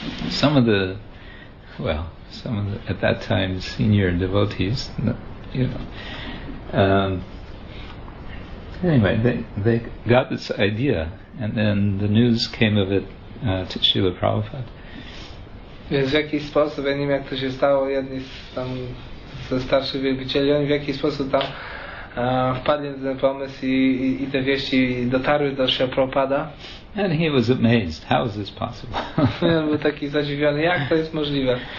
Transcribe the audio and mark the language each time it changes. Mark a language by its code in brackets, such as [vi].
[en] Some of the, well, some of the, at that time, senior devotees, you know. Anyway, they got this idea, and then the news came of it to Srila Prabhupada. [pl] Więc w jakiś sposób, ja nie wiem jak to się stało, jedni z, tam, ze starszych wielbicieli, oni w jakiś sposób tam wpadli w ten pomysł i te wieści dotarły do Srila Prabhupada. [en] And he was amazed, how is this possible? [pl] On był taki zadziwiony, jak to jest możliwe?